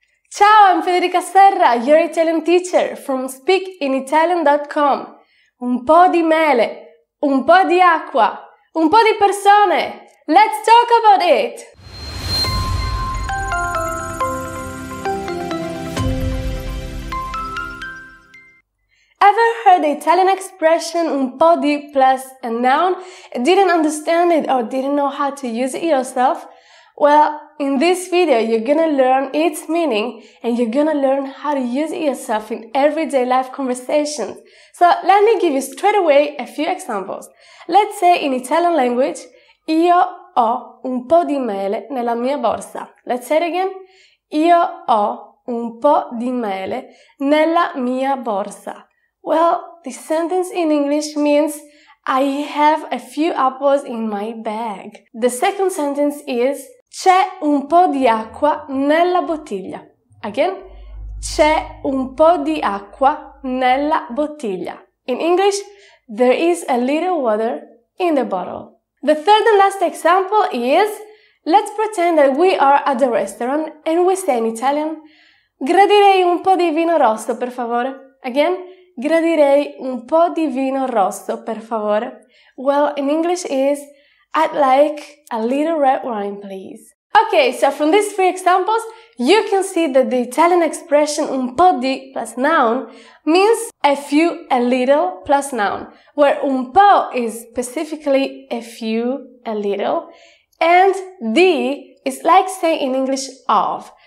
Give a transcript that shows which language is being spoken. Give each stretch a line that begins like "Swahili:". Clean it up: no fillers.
English: Ciao, I'm Federica Serra, your Italian teacher from speakinitalian.com.
Italian: Un po' di mele, un po' di acqua, un po' di persone.
English: Let's talk about it! Ever heard the Italian expression un po' di plus a noun? Didn't understand it or didn't know how to use it yourself? Well, in this video, you're gonna learn its meaning and you're gonna learn how to use it yourself in everyday life conversations. So let me give you straight away a few examples. Let's say in Italian language,
Italian: io ho un po' di mele nella mia borsa.
English: Let's say it again.
Italian: Io ho un po' di mele nella mia borsa.
English: Well, the sentence in English means I have a few apples in my bag. The second sentence is
Italian: c'è un po' di acqua nella bottiglia. Again, c'è un po' di acqua nella bottiglia.
English: In English, there is a little water in the bottle. The third and last example is, let's pretend that we are at a restaurant and we say in Italian,
Italian: gradirei un po' di vino rosso, per favore. Again, gradirei un po' di vino rosso, per favore.
English: Well, in English is, I'd like a little red wine, please. Okay, so from these three examples, you can see that the Italian expression un po' di plus noun means a few, a little plus noun, where un po' is specifically a few, a little, and di is like saying in English of.